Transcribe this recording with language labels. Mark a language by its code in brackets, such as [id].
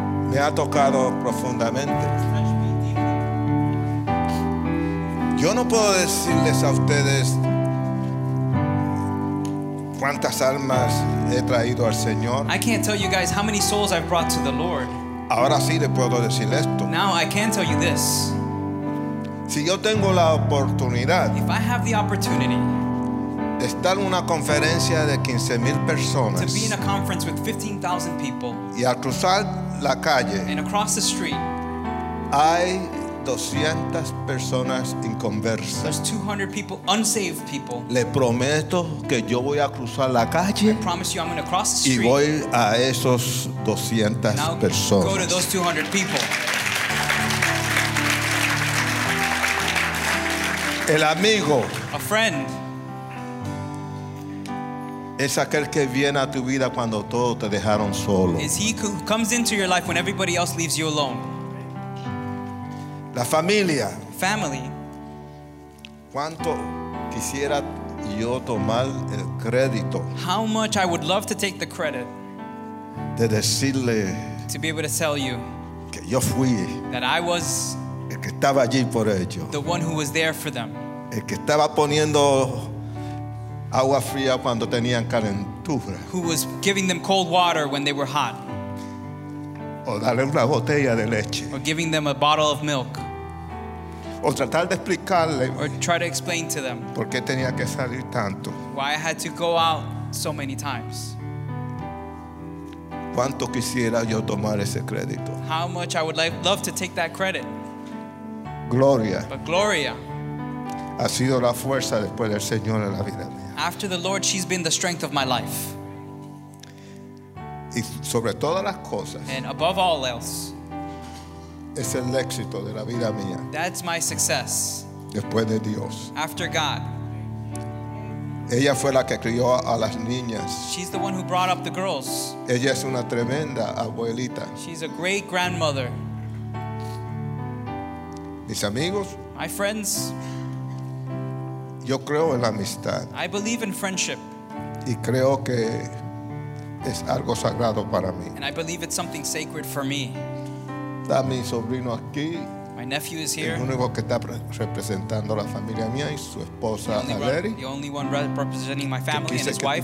[es] me ha tocado profundamente. Yo no puedo decirles a ustedes cuántas almas he traído al Señor. [en] I can't tell you guys how many souls I've brought to the Lord. [es] Ahora sí le puedo decir esto. [en] Now I can tell you this. [es] Si yo tengo la oportunidad, [en] if I have the opportunity, [es] estar en una conferencia de 15,000 personas, [en] to be in a conference with 15,000 people, [es] y al cruzar la calle, [en] and across the street, [es] hay 200 personas inconversas. [en] There's 200 people, unsaved people. [es] Le prometo que yo voy a cruzar la calle. [en] I promise you I'm going to cross the street. [es] Y voy a esos 200 personas. [en] Go to those 200 people. [es] El amigo. [en] A friend. [es] Es aquel que viene a tu vida cuando todos te dejaron solo. [en] Is he who comes into your life when everybody else leaves you alone? [es] La familia. [en] Family. [es] ¿Cuánto quisiera yo tomar el crédito? [en] How much I would love to take the credit. [es] De decirle. [en] To be able to tell you. [es] Que yo fui. [en] That I was. [es] El que estaba allí por ello. [en] The one who was there for them. [es] El que estaba poniendo agua fría cuando tenían calentura. [en] Who was giving them cold water when they were hot. [es] O darle una botella de leche. [en] Or giving them a bottle of milk. [es] O tratar de explicarle. [en] Or try to explain to them. [es] Por qué tenía que salir tanto. [en] Why I had to go out so many times. [es] ¿Cuánto quisiera yo tomar ese crédito? [en] How much I would like, love to take that credit. [es] Gloria. [en] But Gloria. [es] Ha sido la fuerza después del Señor en la vida mía. [en] After the Lord, she's been the strength of my life. [es] Y sobre todas las cosas. [en] And above all else. [es] Es el éxito de la vida mía. [en] That's my success. [es] Después de Dios. [en] After God. [es] Ella fue la que crió a las niñas. [en] She's the one who brought up the girls. [es] Ella es una tremenda abuelita. [en] She's a great grandmother. [es] Mis amigos. [en] My friends. [es] Yo creo en la amistad. [en] I believe in friendship. [es] Y creo que es algo sagrado para mí. [en] And I believe it's something sacred for me. [es] Está mi sobrino aquí. [en] My nephew is here. [es] El único que está representando la familia mía y su esposa, Valerie. [en] The only one representing my family and his wife.